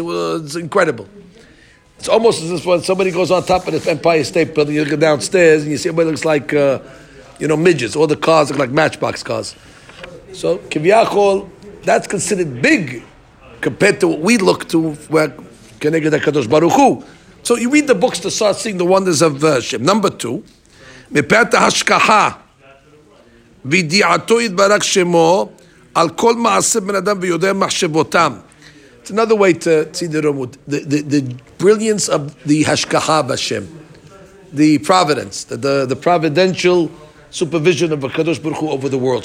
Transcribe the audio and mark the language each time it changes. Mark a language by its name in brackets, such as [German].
[English] It's incredible. It's almost as if when somebody goes on top of this Empire State Building, you go downstairs and you see everybody looks like, midgets. All the cars look like matchbox cars. So, kivyachol, that's considered big compared to what we look to, where Keneged HaKadosh Baruch Hu. So you read the books to start seeing the wonders of Hashem. [Hebrew] Number two, מפאת ההשכחה וידיעתו יתברך שמו על כל מעשה בן אדם ויודע מחשבותם. [English] It's another way to see the Rumut. The brilliance of the [Hebrew] השכחה בשם. [English] The providence. The providential supervision of HaKadosh Baruch Hu over the world.